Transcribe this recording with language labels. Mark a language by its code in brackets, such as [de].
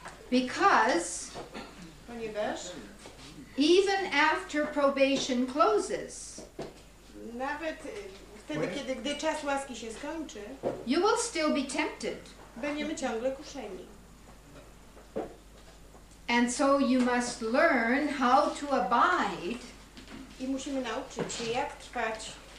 [en] Because [pl] ponieważ [en] even after probation closes [pl] nawet wtedy, kiedy gdy czas łaski się skończy [en] you will still be tempted. [pl] Będziemy ciągle kuszeni. [en] And so you must learn how to abide [pl] i musimy nauczyć się jak trwać